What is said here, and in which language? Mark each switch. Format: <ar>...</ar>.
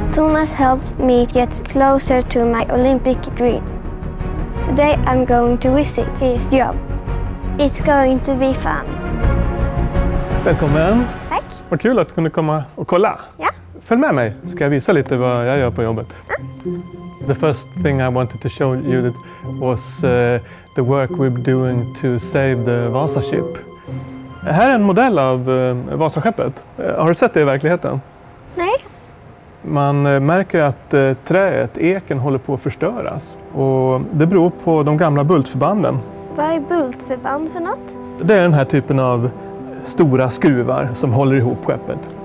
<en>Tomas helped me get closer to my Olympic dream. Today I'm going to visit his job. It's going to be fun.</en> <sv>Välkommen. Tack. Vad kul att du kunde komma och kolla. Ja. Följ med mig, ska jag visa lite vad jag gör på jobbet. Ja.</sv> <en>The first thing I wanted to show you that was the work we're doing to save the Vasa ship.</en> <sv>Här är en modell av Vasaskeppet. Har du sett det i verkligheten? Nej. Man märker att träet, eken, håller på att förstöras. Och det beror på de gamla bultförbanden. Vad är bultförband för något? Det är den här typen av stora skruvar som håller ihop skeppet.</sv>